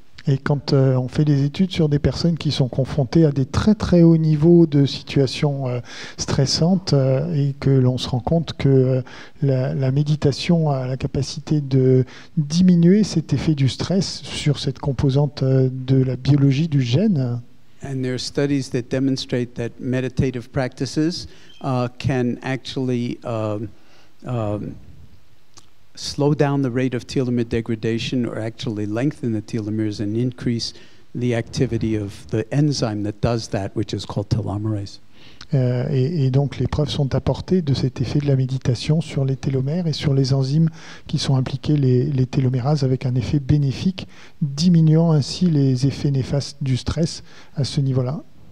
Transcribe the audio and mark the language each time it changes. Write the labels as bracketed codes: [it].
[fr] Et quand on fait des études sur des personnes qui sont confrontées à des très très hauts niveaux de situations stressantes et que l'on se rend compte que la méditation a la capacité de diminuer cet effet du stress sur cette composante de la biologie du gène. [en] And there are studies that demonstrate that meditative practices can actually slow down the rate of telomere degradation or actually lengthen the telomeres and increase the activity of the enzyme that does that, which is called telomerase. [fr] Et donc les preuves sont apportées de cet effet de la méditation sur les télomères et sur les enzymes qui sont impliquées, les télomérases, avec un effet bénéfique, diminuant ainsi les effets néfastes du stress à ce niveau-là.